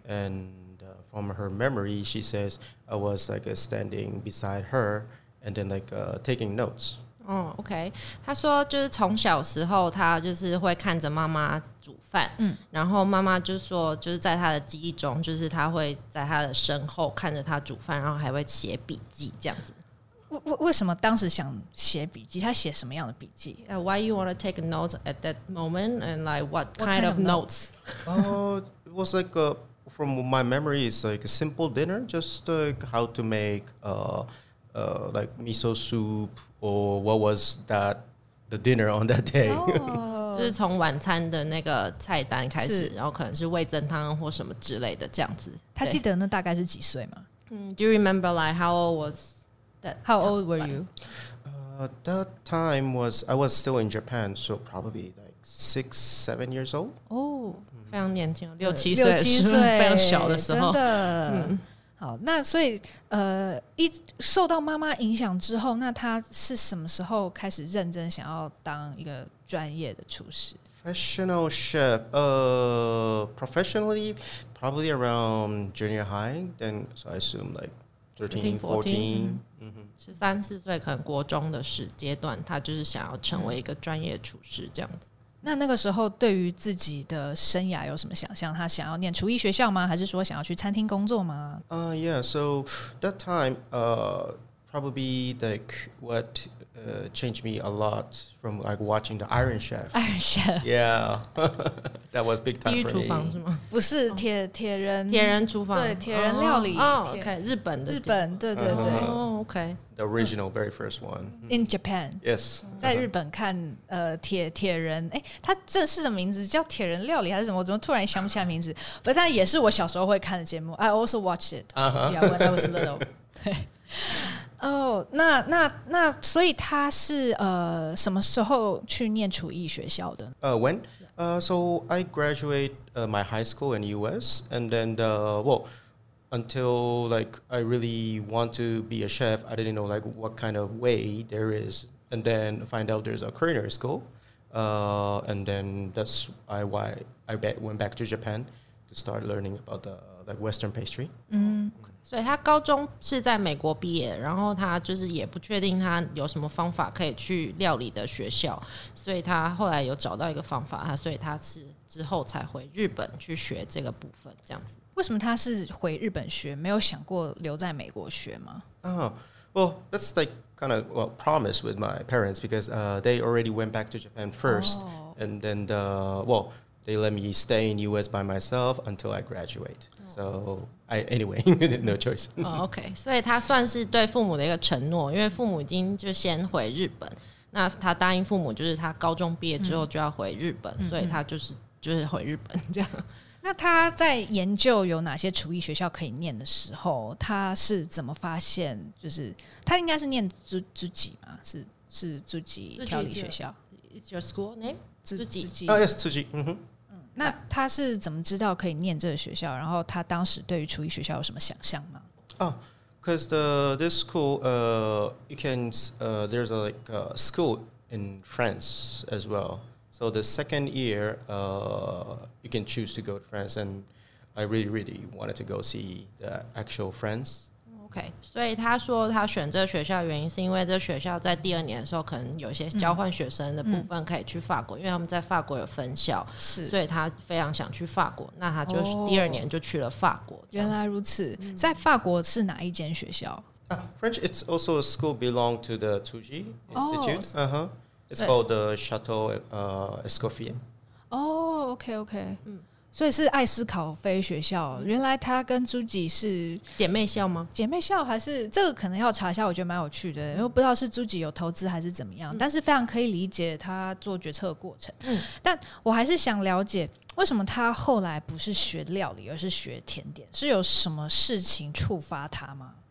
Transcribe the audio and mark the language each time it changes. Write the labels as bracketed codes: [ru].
[en] AndFrom her memory, she says I was like standing beside her and then like taking notes. Oh, okay. [zh] 她说就是从小时候，她就是会看着妈妈煮饭。嗯，然后妈妈就说，就是在她的记忆中，就是她会在她的身后看着她煮饭，然后还会写笔记这样子。为什么当时想写笔记？她写什么样的笔记 [en] ？Why you want to take notes at that moment and like what kind of notes? Oh, it was like a. From my memory, it's like a simple dinner, just like how to make like miso soup or what was that the dinner on that day. [zh] 就是从晚餐的那个菜单开始，然后可能是味噌汤或什么之类的这样子。他记得那大概是几岁吗？ [en] Do you remember like how old was that? How old were you? That time was I was still in Japan, so probably like 6-7 years old. Oh. [zh] 非常年轻，六七岁，非常小的时候。真的，嗯，好，那所以一受到妈妈影响之后，那他是什么时候开始认真想要当一个专业的厨师 [en] ？Professional chef, professionally, probably around junior high. Then, so I assume like 13, 14, [zh] 十三四岁，可能国中的阶段，他就是想要成为一个专业厨师这样子。那个时候对于自己的生涯有什么想象？他想要念厨艺学校吗？还是说想要去餐厅工作吗？ [en] Yeah, so that time, probably like what changed me a lot from like watching the Iron Chef. Iron Chef. Yeah, that was big time for me. [zh] 地狱厨房是吗？不是铁人。铁人厨房。对，铁人料理。 OK, 日本的。日本，对对对。 [en] OK. The original, very first one. In Japan. Yes. [zh] 在日本看铁人，欸，它正式的名字叫铁人料理还是什么？我怎么突然想不起来名字？不，但也是我小时候会看的节目。 [en] I also watched it. Uh-huh. Yeah, when I was little. 对。 [zh] 哦，那所以他是什么时候去念厨艺学校的？ [en] When? So I graduate my high school in US, and then until like I really want to be a chef, I didn't know like what kind of way there is, and then find out there's a culinary school, and then that's why I went back to Japan to start learning about the like Western pastry. [zh] 所以他高中是在美国毕业，然后他就是也不确定他有什么方法可以去料理的学校，所以他后来有找到一个方法，所以他是之后才回日本去学这个部分，这样子。为什么他是回日本学，没有想过留在美国学吗？ [en] Well, that's like kind of well promise with my parents because they already went back to Japan first, and then the they let me stay in US by myself until I graduate. So I anyway, no choice. [zh] OK, 所以他算是对父母的一个承诺，因为父母已经就先回日本，那他答应父母就是他高中毕业之后就要回日本，所以他就是回日本这样。那他在研究有哪些厨艺学校可以念的时候，他是怎么发现？就是他应该是念Tsuji嘛？是Tsuji调理学校。 [en] It's your school name. Yes, Tsuji. [zh] 那他是怎么知道可以念这个学校？然后他当时对于厨艺学校有什么想象吗？ [en] Because this school, there's a like, school in France as well. So the second year, you can choose to go to France. And I really, really wanted to go see the actual France. [zh] Okay, 所以他说他选这个学校的原因是因为这学校在第二年的时候可能有一些交换学生的部分可以去法国，因为他们在法国有分校，是，所以他非常想去法国，那他就第二年就去了法国。原来如此，在法国是哪一间学校？ [en] French, it's also a school belong to the Tsuji Institute. It's called the Chateau Escoffier. Okay. [zh] 所以是艾斯考菲学校，原来他跟朱吉是姐妹校吗？姐妹校还是这个可能要查一下，我觉得蛮有趣的，因为不知道是朱吉有投资还是怎么样，但是非常可以理解他做决策的过程。但我还是想了解为什么他后来不是学料理，而是学甜点，是有什么事情触发他吗？